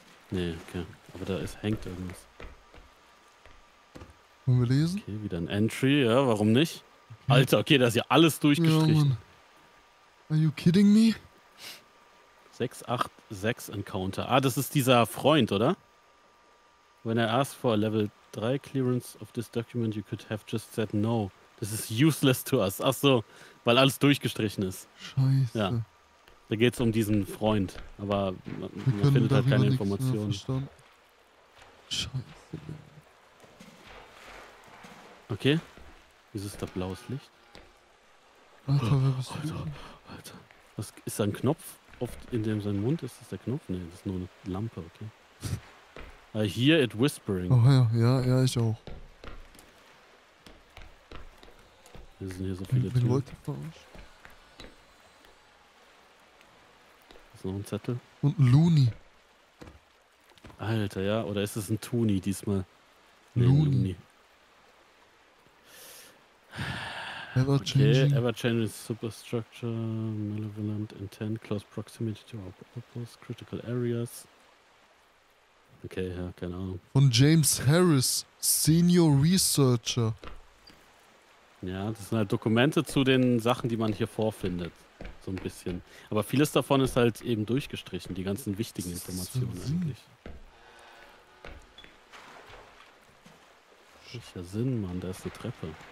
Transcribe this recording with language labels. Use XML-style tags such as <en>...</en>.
<de>Nee, okay. Aber da hängt irgendwas. Wollen wir lesen? Okay, wieder ein Entry, ja, warum nicht? Okay. Alter, okay, da ist ja alles durchgestrichen. Ja,</de> <en>are you kidding me? 686 Encounter.</en> <de>Ah, das ist dieser Freund, oder?</de> <en>When I asked for a level 3 clearance of this document, you could have just said no. This is useless to us.</en> <de>Ach so, weil alles durchgestrichen ist. Scheiße. Ja. Da geht's um diesen Freund. Aber man findet halt keine Informationen. Scheiße. Okay. Wieso ist da blaues Licht? Alter, wer bist du? Alter. Was ist da ein Knopf? Oft in dem sein Mund ist das der Knopf? Nee, das ist nur eine Lampe, okay.</de> <en>I hear it whispering.</en> <de>Oh ja, ich auch. Wir sind hier so viele Türen. Wen wollt ihr verarschen? Das ist noch ein Zettel. Und ein Looney. Alter, ja, oder ist es ein Toonie diesmal? Looney.</de> <en>Ever-changing superstructure, malevolent intent, close proximity to our purpose, critical areas.</en> <de>Okay, ja, keine Ahnung. Von James Harris, Senior Researcher. Ja, das sind halt Dokumente zu den Sachen, die man hier vorfindet. So ein bisschen. Aber vieles davon ist halt eben durchgestrichen, die ganzen wichtigen Informationen eigentlich. Welcher Sinn, Mann, da ist eine Treppe.</de>